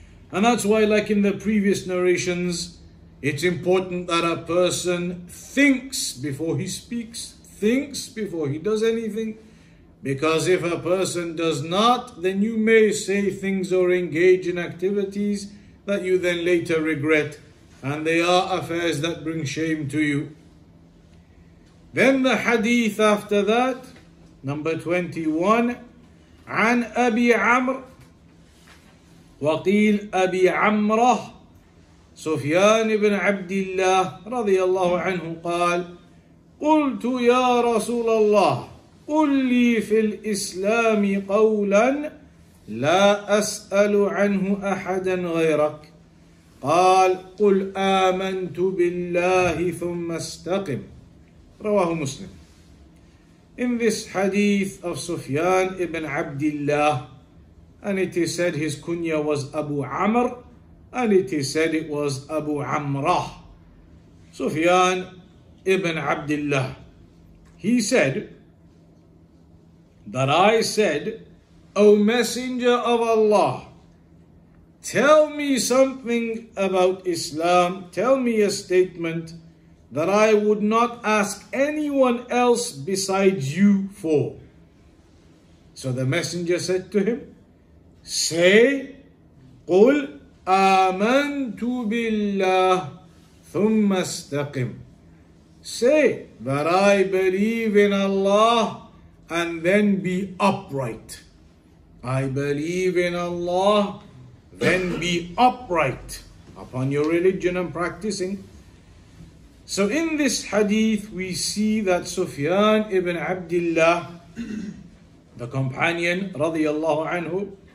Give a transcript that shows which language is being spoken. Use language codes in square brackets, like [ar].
[en] And that's why, like in the previous narrations, it's important that a person thinks before he speaks, thinks before he does anything. Because if a person does not, then you may say things or engage in activities that you then later regret. And they are affairs that bring shame to you. Then the hadith after that, number 21, عن أبي عمر [ar] وقيل أبي عمرة سفيان بن عبد الله رضي الله عنه قال قلت يا رسول الله قل لي في الإسلام قولا لا أسأل عنه أحدا غيرك قال قل آمنت بالله ثم استقم رواه مسلم. [en] In this hadith of Sufyan ibn Abdullah, and it is said his kunya was Abu Amr, and it is said it was Abu Amrah. Sufyan ibn Abdullah, he said that I said, O Messenger of Allah, tell me something about Islam, tell me a statement that I would not ask anyone else besides you for. So the messenger said to him, say, [ar] قُلْ آمَنْتُ بِاللَّهِ ثُمَّ اسْتَقِمْ. [en] Say that I believe in Allah and then be upright. I believe in Allah, then be upright upon your religion and practicing. So in this hadith, we see that Sufyan ibn Abdullah, the companion, radiallahu anhu,